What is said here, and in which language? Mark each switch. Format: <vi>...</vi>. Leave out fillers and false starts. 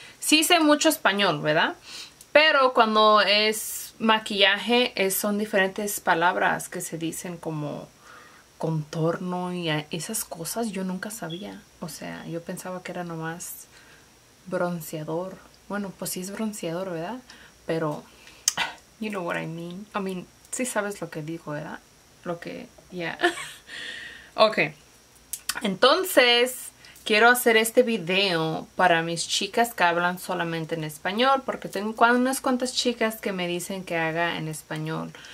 <es>Sí sé mucho español, ¿verdad? Pero cuando es maquillaje, son diferentes palabras que se dicen como contorno y esas cosas. Yo nunca sabía. O sea, yo pensaba que era nomás bronceador. Bueno, pues sí es bronceador, ¿verdad?</es> <en>Pero, you know what I mean. I mean,</en> <es>sí sabes lo que digo, ¿verdad? Lo que, yeah. Ok. Entonces, quiero hacer este video para mis chicas que hablan solamente en español, porque tengo unas cuantas chicas que me dicen que haga en español.</es>